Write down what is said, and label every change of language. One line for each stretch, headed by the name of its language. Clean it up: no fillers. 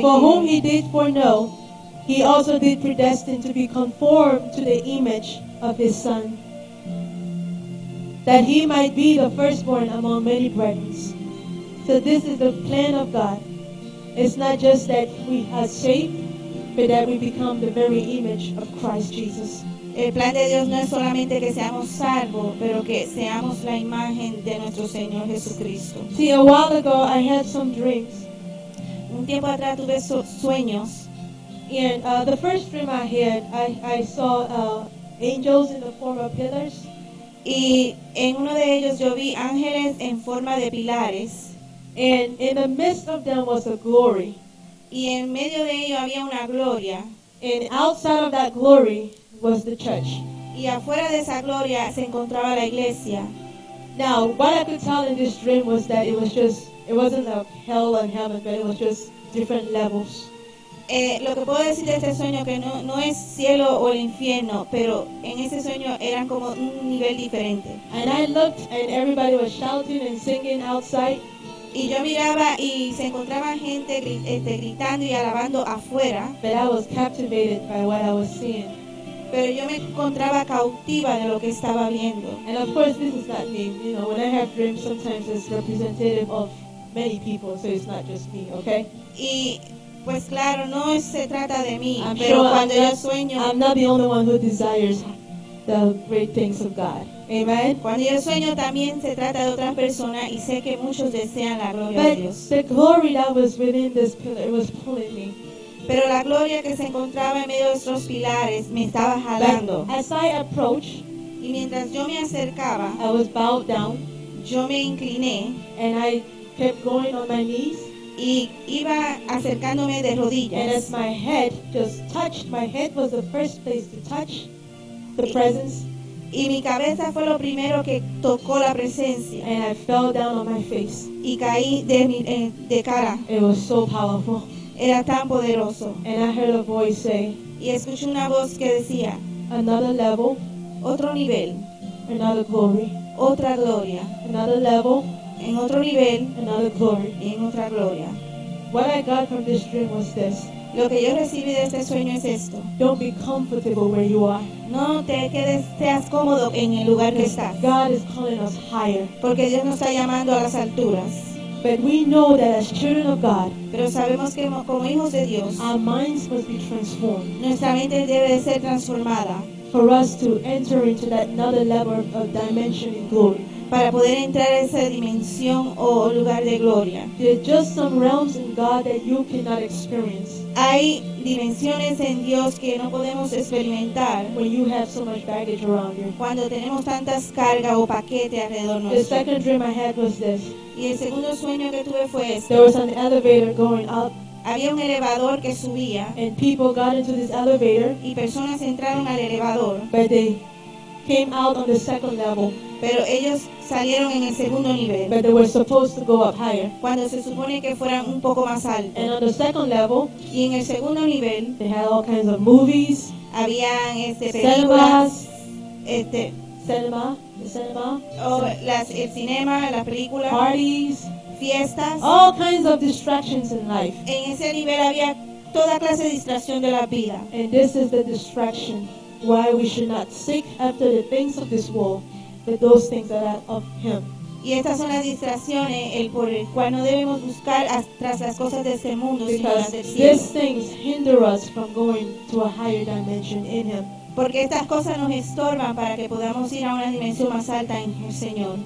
English: For whom he did foreknow, he also did predestine to be conformed to the image of his son, that he might be the firstborn among many brethren. So this is the plan of God. It's not just that we are saved, but that we become the very image of Christ Jesus.
Spanish: El plan de Dios no es solamente que seamos salvos, pero que seamos la imagen de nuestro Señor Jesucristo.
English: See, a while ago I had some dreams.
Spanish: Un tiempo atrás tuve sueños.
English: And the first dream I had, I saw angels in the form of pillars.
Spanish: Y en uno de ellos yo vi ángeles en forma de pilares.
English: And in the midst of them was a glory.
Spanish: Y en medio de ello había una gloria.
English: And outside of that glory was the church.
Spanish: Y afuera de esa gloria se encontraba la iglesia.
English: Now, what I could tell in this dream was that it wasn't a hell and heaven, but it was just different levels.
Spanish: Lo que puedo decir de este sueño que no es cielo o el infierno, pero en ese sueño eran como un nivel diferente.
English: And I looked and everybody was shouting and singing outside.
Spanish: Y yo miraba y se encontraba gente gritando y alabando afuera.
English: But I was captivated by what I was seeing.
Spanish: Pero yo me encontraba cautiva de lo que estaba viendo.
English: And of course this is not me. You know, when I have dreams sometimes it's representative of many people, so it's not just me, okay?
Spanish: Y pues claro, no se trata de mí, pero cuando yo sueño,
English: I'm not the only one who desires the great things of God. Amen.
Spanish: Cuando yo sueño también se trata de otras personas y sé que muchos desean la gloria
English: but
Spanish: de Dios.
English: The glory that was within this pillar was pulling me.
Spanish: Pero la gloria que se encontraba en medio de estos pilares me estaba jalando.
English: But as I approached,
Spanish: y mientras yo me acercaba,
English: I was bowed down,
Spanish: yo me incliné,
English: and I kept going on my knees.
Spanish: Y iba acercándome de rodillas.
English: And as my head just touched, my head was the first place to touch the presence.
Spanish: Y mi cabeza fue lo primero que tocó la presencia.
English: And I fell down on my face.
Spanish: Y caí de cara.
English: It was so powerful.
Spanish: Era tan poderoso.
English: And I heard a voice say,
Spanish: y escuché una voz que decía,
English: another level,
Spanish: otro nivel,
English: another glory,
Spanish: otra gloria,
English: another level,
Spanish: en otro nivel,
English: another glory,
Spanish: en otra gloria.
English: What I got from this dream was this.
Spanish: Lo que yo recibí de este sueño es esto.
English: Don't be comfortable where you are.
Spanish: No te quedes, seas cómodo en el lugar que estás.
English: God is calling us higher.
Spanish: Porque Dios nos está llamando a las alturas.
English: But we know that as children of God,
Spanish: pero sabemos que como hijos de Dios,
English: our minds must be transformed.
Spanish: Nuestra mente debe de ser transformada.
English: For us to enter into that another level of dimension in glory.
Spanish: para poder entrar a esa dimensión o lugar de gloria.
English: There's just some realms in God that you cannot experience.
Spanish: Hay dimensiones en Dios que no podemos experimentar.
English: When you have so much baggage around you.
Spanish: Cuando tenemos tantas cargas o paquetes alrededor nuestro.
English: The second dream I had was this.
Spanish: Y el segundo sueño que tuve fue este.
English: There was an elevator going up.
Spanish: Había un elevador que subía.
English: And people got into this elevator.
Spanish: Y personas entraron al elevador.
English: But they came out on the second level.
Spanish: Pero ellos salieron en el segundo nivel.
English: But they were supposed to go up higher.
Spanish: Cuando se supone que fueran un poco más alto.
English: And on the second level.
Spanish: Y en el segundo nivel.
English: They had all kinds of movies.
Spanish: Habían este películas. El cinema, las películas.
English: Parties.
Spanish: Fiestas.
English: All kinds of distractions in life.
Spanish: En ese nivel había toda clase de distracción de la vida.
English: And this is the distraction. Why we should not seek after the things of this world, but those things that are of Him.
Spanish: Y estas son las distracciones, el por el cual no debemos buscar tras las cosas de este mundo, sino las del cielo.
English: Because these things hinder us from going to a higher dimension in Him.
Spanish: Porque estas cosas nos estorban para que podamos ir a una dimensión más alta en el Señor.